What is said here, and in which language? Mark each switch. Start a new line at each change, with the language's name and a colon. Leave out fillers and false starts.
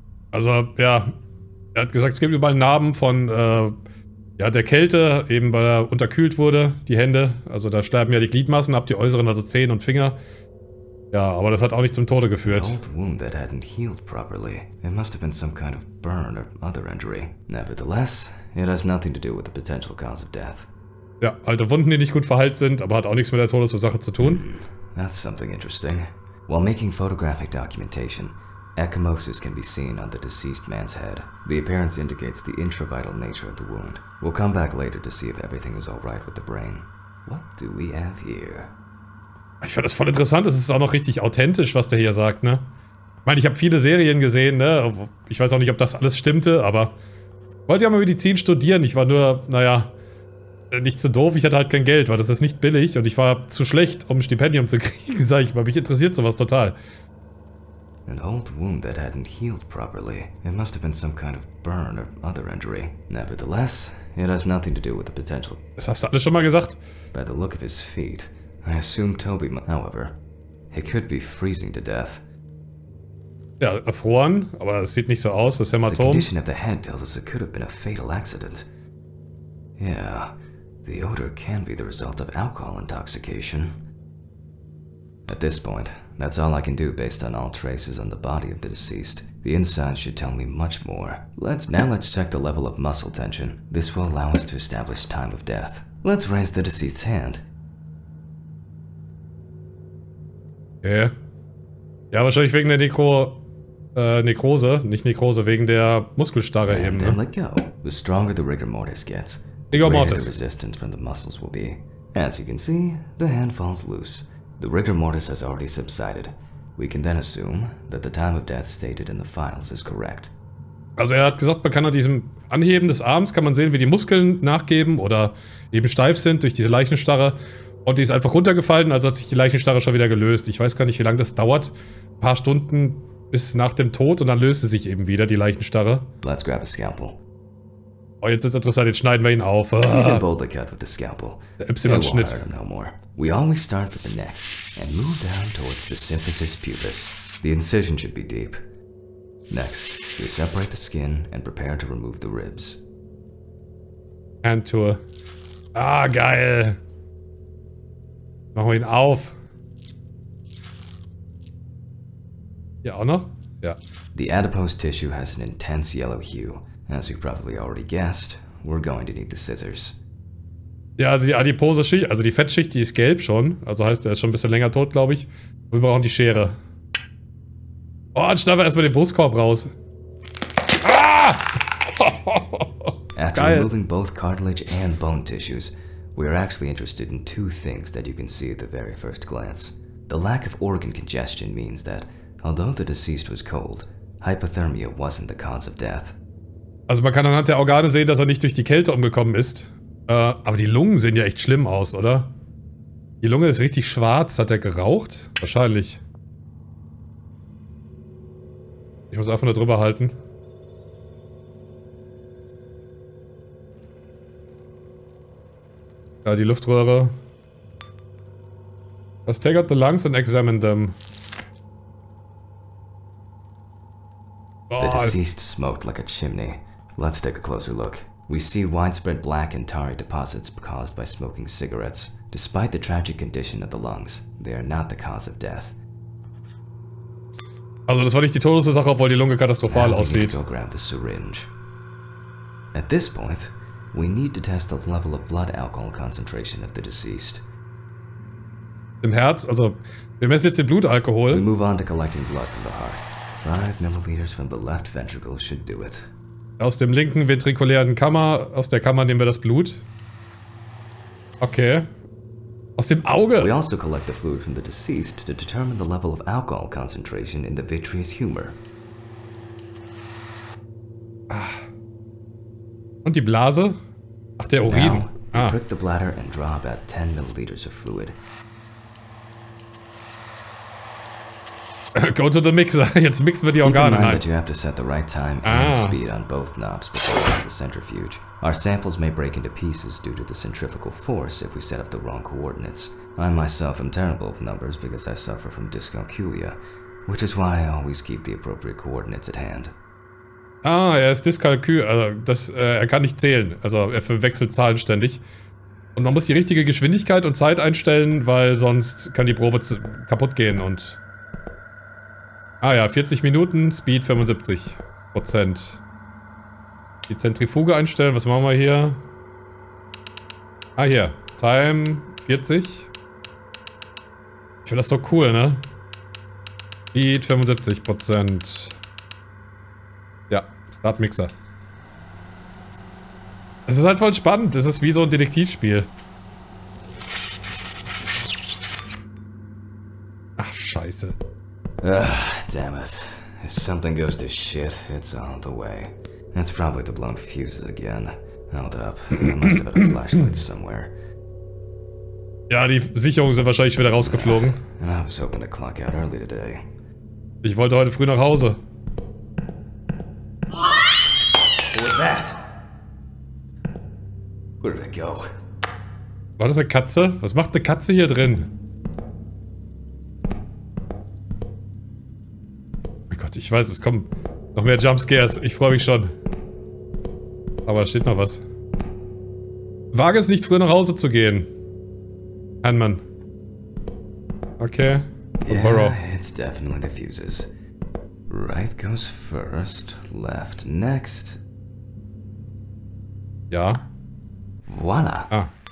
German: Also, ja, er hat gesagt, es gibt überall Narben von, ja, der Kälte, eben weil er unterkühlt wurde, die Hände. Also da sterben ja die Gliedmassen ab, die äußeren, also Zehen und Finger. Ja, aber das hat auch nicht zum Tode geführt.
English: An old wound that hadn't healed properly. It must have been some kind of burn or other injury. Nevertheless, it has nothing to do with the potential cause of death.
German: Ja, alte Wunden, die nicht gut verheilt sind, aber hat auch nichts mit der Todesursache zu tun.
English: That's something interesting. While making photographic documentation, ecchymosis can be seen on the deceased man's head. The appearance indicates the intravital nature of the wound. We'll come back later to see if everything is all right with the brain. What do we have here?
German: Ich finde das voll interessant, es ist auch noch richtig authentisch, was der hier sagt, ne? Ich meine, ich habe viele Serien gesehen, ne? Ich weiß auch nicht, ob das alles stimmte, aber... Ich wollte ja mal Medizin studieren, ich war nur, naja... Nicht zu doof, ich hatte halt kein Geld, weil das ist nicht billig und ich war zu schlecht, um ein Stipendium zu kriegen, sag ich mal. Mich interessiert sowas total.
English: An old wound that hadn't healed properly. It must have been some kind of burn or other injury. Nevertheless, it has nothing to do with the potential.
German: Das hast du alles schon mal gesagt?
English: By the look of his feet, I assume Toby, however, he could be freezing to death.
German: Ja, erfroren, aber es sieht nicht so aus, das Hämatom.
English: The condition of the head tells us it could have been a fatal accident. Yeah, the odor can be the result of alcohol intoxication. At this point, that's all I can do based on all traces on the body of the deceased. The inside should tell me much more. Let's check the level of muscle tension. This will allow us to establish time of death. Let's raise the deceased's hand. Okay.
German: Ja, wahrscheinlich wegen der Nekrose, nicht Nekrose, wegen der Muskelstarre eben.
English: And then let go. The stronger the rigor mortis gets, the resistance from the muscles will be. As you can see, the hand falls loose. The rigor mortis has already subsided. We can then assume that the time of death stated in the files is correct.
German: Also er hat gesagt, man kann an diesem Anheben des Arms, kann man sehen, wie die Muskeln nachgeben oder eben steif sind durch diese Leichenstarre. Und die ist einfach runtergefallen, also hat sich die Leichenstarre schon wieder gelöst. Ich weiß gar nicht, wie lange das dauert. Ein paar Stunden bis nach dem Tod und dann löst sie sich eben wieder, die Leichenstarre.
English: Let's grab a scalpel.
German: Oh, jetzt ist interessant, jetzt schneiden wir ihn auf.
English: Boldly cut with the scalpel.
German: Y-Schnitt.
English: No more. We always start with the neck and move down towards the symphysis pubis. The incision should be deep. Next, we separate the skin and prepare to remove the ribs. Hand tour.
German: Ah, geil. Machen wir ihn auf. Ja, auch noch? Ja.
English: The adipose tissue has an intense yellow hue. As you probably already guessed, we're going to need the scissors.
German: Ja, also die adipose Schicht, also die Fettschicht, die ist gelb schon. Also heißt, er ist schon ein bisschen länger tot, glaube ich. Wir brauchen die Schere. Oh, dann schneiden wir erstmal den Brustkorb raus. Ah! After geil.
English: Removing both cartilage and bone tissues, we are actually interested in two things that you can see at the very first glance. The lack of organ congestion means that, although the deceased was cold, hypothermia wasn't the cause of death.
German: Also man kann anhand der Organe sehen, dass er nicht durch die Kälte umgekommen ist. Aber die Lungen sehen ja echt schlimm aus, oder? Die Lunge ist richtig schwarz. Hat er geraucht? Wahrscheinlich. Ich muss einfach nur drüber halten. Ja, die Luftröhre.
English: Let's take out the lungs and examine them. Oh, the deceased smoked like a chimney. Let's take a closer look. We see widespread black and tarry deposits caused by smoking cigarettes. Despite the tragic condition of the lungs, they are not the cause of death.
German: Also das war nicht die Todesursache, obwohl die Lunge katastrophal aussieht.
English: Now we need to grab the syringe. At this point, we need to test the level of blood alcohol concentration of the deceased.
German: Im Herz, also wir messen jetzt den Blutalkohol.
English: We move on to collecting blood from the heart. 5 milliliters from the left ventricle should do it.
German: Aus dem linken ventrikulären Kammer, aus der Kammer nehmen wir das Blut. Okay. Aus dem Auge.
English: We also collect the fluid from the deceased to determine the level of alcohol concentration in the vitreous humor.
German: Und die Blase? Ach, der Urin.
English: Now, ah. Prick the bladder and draw about 10 milliliters of fluid. go to the mixer.
German: Jetzt mixen wir die Organe ein.
English: You have to set the right time and speed on both knobs before the centrifuge. Our samples may break into pieces due to the centrifugal force if we set up the wrong coordinates. I myself am terrible with numbers because I suffer from dyscalculia, which is why I always keep the appropriate coordinates at hand.
German: Ah, er ist Dyskalkül, also das, er kann nicht zählen, also er verwechselt Zahlen ständig. Und man muss die richtige Geschwindigkeit und Zeit einstellen, weil sonst kann die Probe kaputt gehen und... Ah ja, 40 Minuten, Speed 75%. Die Zentrifuge einstellen, was machen wir hier? Ah hier,
English: Time 40.
German: Ich finde das so cool, ne? Speed 75%. Ja, Startmixer. Es ist halt voll spannend, es ist wie so ein Detektivspiel.
English: Ugh, damn it. If something goes to shit, it's on the way. That's probably the blown fuses again. Hold up. I must have had a flashlight somewhere.
German: Ja, die Sicherungen sind wahrscheinlich wieder rausgeflogen.
English: And I was hoping to clock out early today.
German: Ich wollte heute früh nach Hause.
English: What was that? Where did it go?
German: War das eine Katze? Was macht eine Katze hier drin? Ich weiß, es kommen noch mehr Jumpscares. Ich freue mich schon. Aber da steht noch was. Wage es nicht, früher nach Hause zu gehen. Hanman. Okay.
English: Yeah, Burrow. It's definitely the fuses. Right goes first, left next.
German: Ja. Voila. Ah.